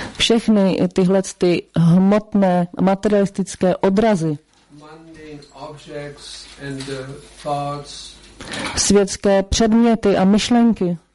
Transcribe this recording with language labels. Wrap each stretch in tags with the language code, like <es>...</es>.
<cs>Všechny tyhle ty hmotné materialistické odrazy.</cs> <en>Mundane objects and the thoughts.</en> <cs>Světské předměty a myšlenky.</cs>